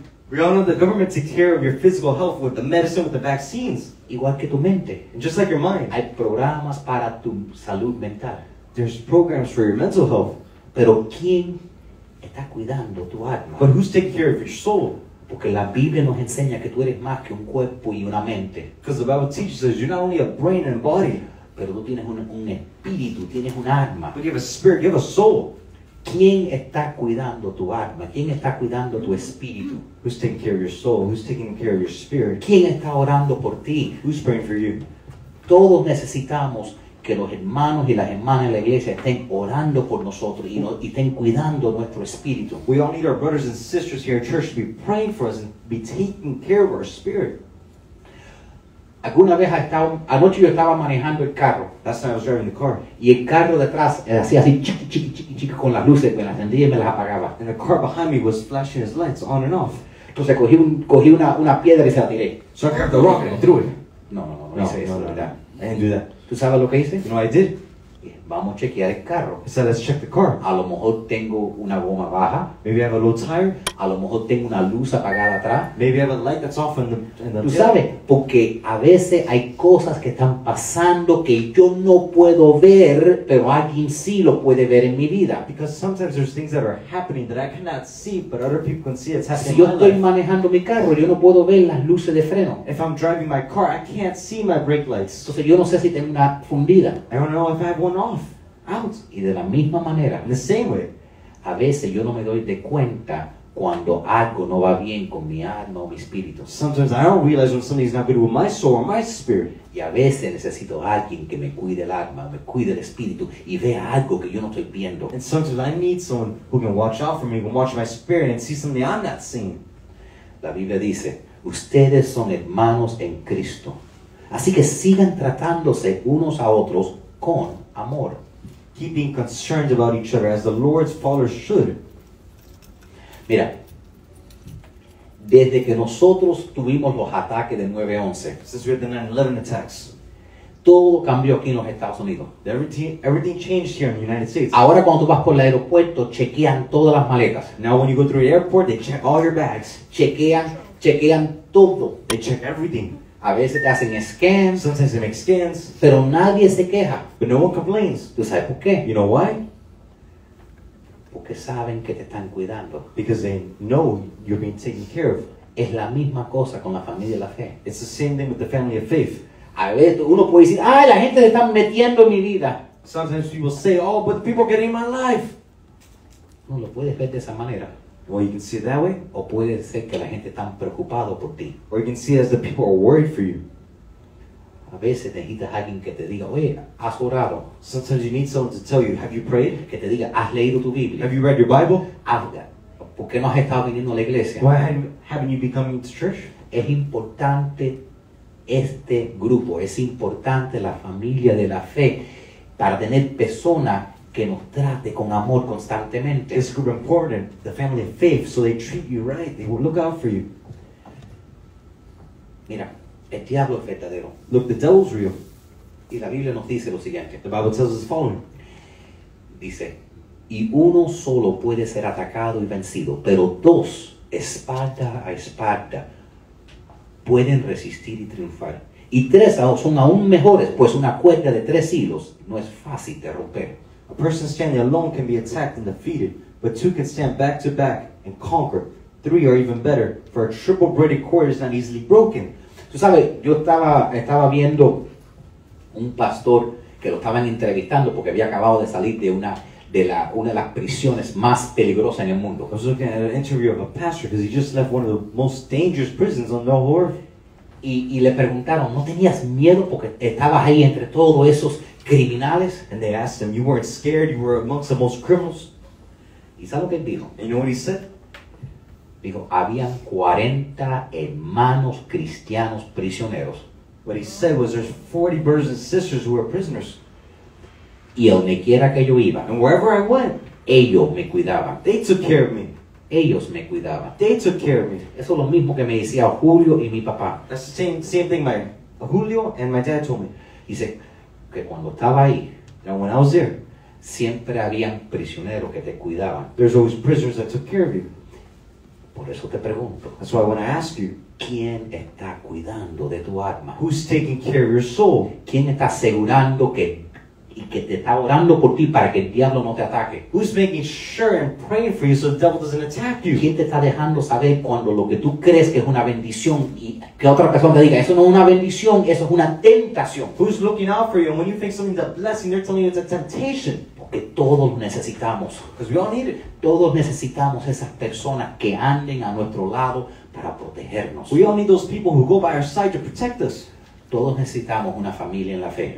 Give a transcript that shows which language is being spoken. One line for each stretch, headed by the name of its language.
English: We all know the government takes care of your physical health with the medicine, with the vaccines.
Spanish: Igual que tu mente.
English: And just like your mind.
Spanish: Hay programas para tu salud mental.
English: There's programs for your mental health.
Spanish: Pero ¿quién está cuidando tu alma?
English: But who's taking care of your soul?
Spanish: Porque la Biblia nos enseña que tú eres más que un cuerpo y una mente.
English: Because the Bible teaches us you're not only a brain and a body.
Spanish: Pero tú tienes un espíritu, tienes un alma.
English: But you have a spirit, you have a soul.
Spanish: ¿Quién está cuidando tu alma? ¿Quién está cuidando tu espíritu?
English: Who's taking care of your soul? Who's taking care of your spirit?
Spanish: ¿Quién está orando por ti?
English: Who's praying for you?
Spanish: Todos necesitamos que los hermanos y las hermanas en la iglesia estén orando por nosotros y, no, y estén cuidando nuestro espíritu.
English: We all need our brothers and sisters here in church to be praying for us and be taking care of our spirit.
Spanish: Alguna vez estaba, anoche yo estaba manejando el carro.
English: Last time I was driving the car.
Spanish: Y el carro detrás hacía así, chiqui, con las luces, me las encendía y me las apagaba.
English: And the car behind me was flashing its lights on and off.
Spanish: Entonces cogí una piedra y se la tiré.
English: So I grabbed the rock and I threw it.
Spanish: No, hice eso.
English: I didn't do that.
Spanish: ¿Tú sabes lo que hice?
English: No, I did.
Spanish: Vamos a chequear el carro.
English: I said, let's check the car.
Spanish: A lo mejor tengo una goma baja.
English: Maybe I have a low tire.
Spanish: A lo mejor tengo una luz apagada atrás.
English: Maybe I have a light that's off in the tail.
Spanish: ¿Tú sabes? Porque a veces hay cosas que están pasando que yo no puedo ver, pero alguien sí lo puede ver en mi vida.
English: Because sometimes there's things that are happening that I cannot see, but other people can see it's happening.
Spanish: Si yo estoy manejando mi carro, yo no puedo ver las luces de freno.
English: If I'm driving my car, I can't see my brake lights.
Spanish: Entonces yo no sé si tengo una fundida.
English: I don't know if I have one off. Out.
Spanish: Y de la misma manera,
English: the same way,
Spanish: a veces yo no me doy de cuenta cuando algo no va bien con mi alma o mi espíritu.
English: Sometimes I don't realize when something's not good with my soul or my spirit.
Spanish: Y a veces necesito alguien que me cuide el alma, me cuide el espíritu y vea algo que yo no estoy viendo.
English: And sometimes I need someone who can watch out for me, who can watch my spirit and see something I'm not seeing.
Spanish: La Biblia dice, ustedes son hermanos en Cristo. Así que sigan tratándose unos a otros con amor.
English: Keep being concerned about each other as the Lord's followers should.
Spanish: Mira, desde que nosotros tuvimos los ataques de 9/11,
English: since we had the 9/11 attacks,
Spanish: todo cambió aquí en los Estados Unidos.
English: Everything changed here in the United States.
Spanish: Ahora cuando tú vas por el aeropuerto, chequean todas las maletas.
English: Now when you go through the airport, they check all your bags.
Spanish: Chequean todo.
English: They check everything.
Spanish: A veces te hacen scans.
English: Sometimes they make scans.
Spanish: Pero nadie se queja.
English: But no one complains.
Spanish: ¿Tú sabes por qué?
English: You know why?
Spanish: Porque saben que te están cuidando.
English: Because they know you're being taken care of.
Spanish: Es la misma cosa con la familia de la fe.
English: It's the same thing with the family of faith.
Spanish: A veces uno puede decir, ¡ay, la gente se está metiendo en mi vida!
English: Sometimes people say, ¡oh, but the people are getting in my life!
Spanish: No lo puedes ver de esa manera.
English: Well, you can see it that way.
Spanish: O puede ser que la gente está preocupado por ti.
English: Or you can see it as the people are worried for you.
Spanish: A veces necesitas alguien que te diga, oye, ¿has orado?
English: Sometimes you need someone to tell you, have you prayed?
Spanish: Que te diga, ¿has leído tu Biblia?
English: Have you read your Bible?
Spanish: Habla. ¿Por qué no has estado viniendo a la iglesia?
English: Why haven't you been coming to church?
Spanish: Es importante este grupo. Es importante la familia de la fe para tener personas que nos trate con amor constantemente.
English: This group is important, the family of faith, so they treat you right. They will look out for you.
Spanish: Mira. El diablo es verdadero.
English: Look, the devil's real.
Spanish: Y la Biblia nos dice lo siguiente.
English: The Bible tells us the following.
Spanish: Dice, y uno solo puede ser atacado y vencido, pero dos, espada a espada, pueden resistir y triunfar. Y tres son aún mejores, pues una cuerda de tres hilos no es fácil de romper.
English: A person standing alone can be attacked and defeated, but two can stand back to back and conquer. Three are even better, for a triple braided cord is not easily broken.
Spanish: Tú sabes, yo estaba viendo un pastor que lo estaban entrevistando porque había acabado de salir de una de la una de las prisiones más peligrosas en el mundo.
English: I was looking at an interview of a pastor because he just left one of the most dangerous prisons on the whole earth.
Spanish: Y le preguntaron, ¿no tenías miedo porque estabas ahí entre todos esos criminales?
English: And they asked him, you weren't scared, you were amongst the most criminals.
Spanish: ¿Y sabes lo que dijo?
English: And you know what he said?
Spanish: Dijo, habían 40 hermanos cristianos prisioneros.
English: What he said was there's 40 brothers and sisters who were prisoners.
Spanish: Y donde quiera que yo iba.
English: And wherever I went.
Spanish: Ellos me cuidaban.
English: They took care of me.
Spanish: Ellos me cuidaban.
English: They took care of me.
Spanish: Eso es lo mismo que me decía Julio y mi papá.
English: That's the same thing my Julio and my dad told me.
Spanish: Dice que cuando estaba ahí.
English: And when I was there.
Spanish: Siempre habían prisioneros que te cuidaban.
English: There's always prisoners that took care of you.
Spanish: Por eso te pregunto.
English: That's why I want to ask you.
Spanish: ¿Quién está cuidando de tu alma?
English: Who's taking care of your soul?
Spanish: ¿Quién está asegurando que y que te está orando por ti para que el diablo no te ataque?
English: Who's making sure and praying for you so the devil doesn't attack you?
Spanish: ¿Quién te está dejando saber cuando lo que tú crees que es una bendición y que otra persona te diga, eso no es una bendición, eso es una tentación?
English: Who's looking out for you? And when you think something's a blessing, they're telling you it's a temptation.
Spanish: Porque todos necesitamos.
English: Because we all need it.
Spanish: Todos necesitamos esas personas que anden a nuestro lado para protegernos.
English: We all need those people who go by our side to protect us.
Spanish: Todos necesitamos una familia en la fe.